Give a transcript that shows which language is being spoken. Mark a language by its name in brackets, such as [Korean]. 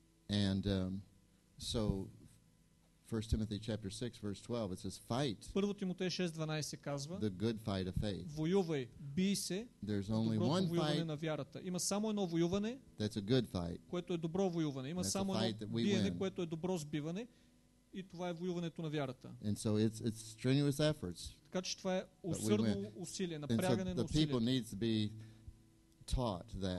[English] And so 1 Timothy chapter 6 verse 12 it says fight. [Bulgarian] 1 Тимотей 6:12 се казва. [English] The good fight of faith. [Bulgarian] Воювай, бий се. [English] There's only one [Bulgarian] воюване на вярата. Има само едно воюване. [English] That's a good fight. [Bulgarian] Което е добро воюване. Има [English] that's [Bulgarian] само едно биене, което е добро сбиване и това е воюването на вярата. [English] And so it's strenuous efforts. [Bulgarian] Така че това е усърдно усилие, напрягане [English] and so [Bulgarian] на [English] the [Bulgarian] усилие. [English] People needs to be taught that.